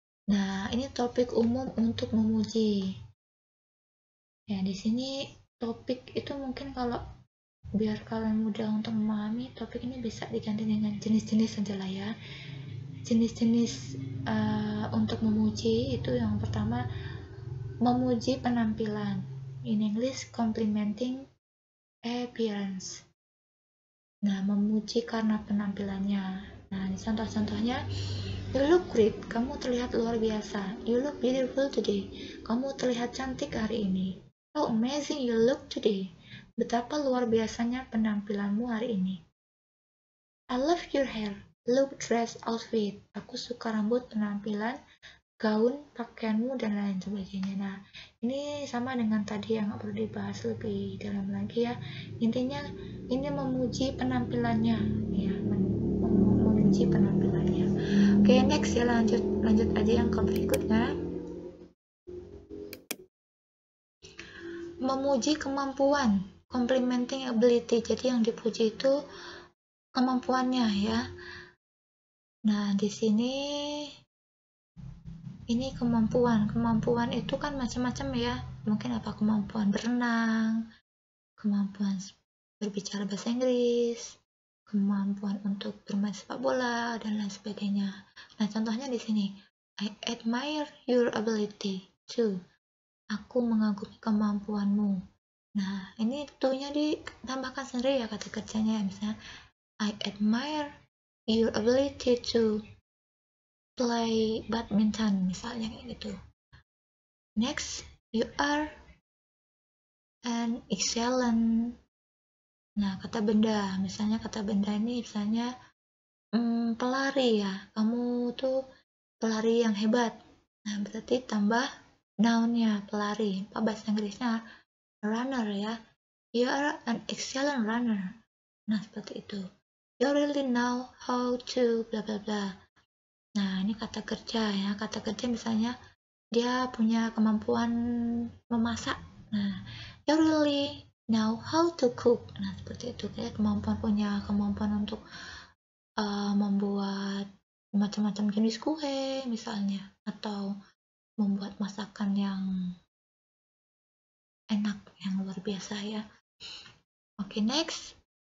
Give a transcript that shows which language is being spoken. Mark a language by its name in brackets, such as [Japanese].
[Indonesian] Nah, ini topik umum untuk memuji. Ya, di sini topik itu mungkin kalau biar kalian mudah untuk memahami, topik ini bisa diganti dengan jenis-jenis saja lah ya. Jenis-jenis untuk memuji itu yang pertama memuji penampilan. [English] In English, complimenting appearance. [Indonesian] Nah, memuji karena penampilannya. Nah, ini contoh-contohnya. [English] You look great. [Indonesian] Kamu terlihat luar biasa. [English] You look beautiful today. [Indonesian] Kamu terlihat cantik hari ini. [English] How amazing you look today. [Indonesian] Betapa luar biasanya penampilanmu hari ini. [English] I love your hair. Look dress outfit. [Indonesian] Aku suka rambut, penampilan, gaun, pakaianmu, dan lain sebagainya. Nah, ini sama dengan tadi yang perlu dibahas lebih dalam lagi ya. Intinya, ini memuji penampilannya. Ya, memuji penampilannya. Oke, okay, next ya, lanjut aja yang ke berikutnya. Memuji kemampuan, [English] complimenting ability. [Indonesian] Jadi yang dipuji itu kemampuannya ya. Nah, di sini ini kemampuan. Kemampuan itu kan macam-macam ya. Mungkin apa kemampuan berenang, kemampuan berbicara bahasa Inggris, kemampuan untuk bermain sepak bola dan lain sebagainya. Nah, contohnya di sini, [English] I admire your ability to. [Indonesian] Aku mengagumi kemampuanmu. Nah, ini tuh-nya ditambahkan sendiri ya kata kerjanya ya. [English] Misalnya, I admire your ability to play badminton, [Indonesian] misalnya gitu. [English] Next, you are an excellent. [Indonesian] Nah, kata benda, misalnya kata benda ini misalnya pelari ya, kamu tuh pelari yang hebat. Nah, berarti tambah noun-nya, pelari. Apa bahasa Inggrisnya? Runner ya. [English] You are an excellent runner. [Indonesian] Nah, seperti itu. [English] You really know how to bla bla bla. [Indonesian] Nah, ini kata kerja ya. Kata kerja misalnya dia punya kemampuan memasak. [English] Nah, you really know how to cook. [Indonesian] Nah, seperti itu kayak kemampuan punya kemampuan untuk membuat macam-macam jenis kue misalnya, atau membuat masakan yang enak, yang luar biasa ya. Oke, next.